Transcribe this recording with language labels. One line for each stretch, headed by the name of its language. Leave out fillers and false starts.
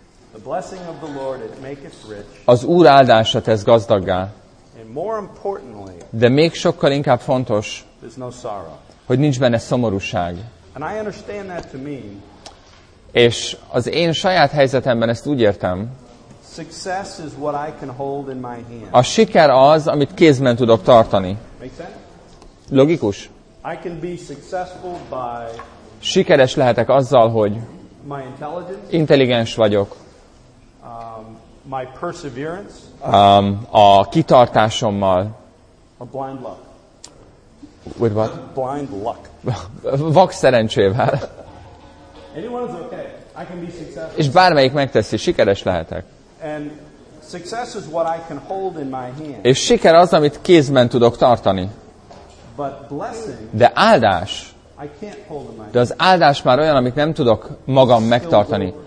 English: The blessing of the Lord it maketh rich.
Hungarian: Az Úr áldása tesz gazdaggá.
English: And more importantly,
Hungarian: de még sokkal inkább fontos,
English: there's no sorrow.
Hungarian: Hogy nincs benne szomorúság.
English: And I understand that to mean,
Hungarian: és az én saját helyzetemben ezt úgy értem,
English: success is what I can hold in my hand.
Hungarian: A siker az, amit kézben tudok tartani.
English: Make sense?
Hungarian: Logikus.
English: I can be successful by
Hungarian: sikeres lehetek azzal, hogy
English: my intelligence,
Hungarian: intelligens vagyok,
English: my perseverance,
Hungarian: a kitartásommal,
English: a blind luck. With what? Blind luck.
Hungarian: Vak szerencsével.
English: Anyone's okay. I can be successful.
Hungarian: És bármelyik megteszi, sikeres lehetek.
English: And success is what I can hold in my hand.
Hungarian: És siker az, amit kézben tudok tartani.
English: But blessing,
Hungarian: de áldás.
English: I can't hold in my hand.
Hungarian: De az áldás már olyan, amit nem tudok magam megtartani.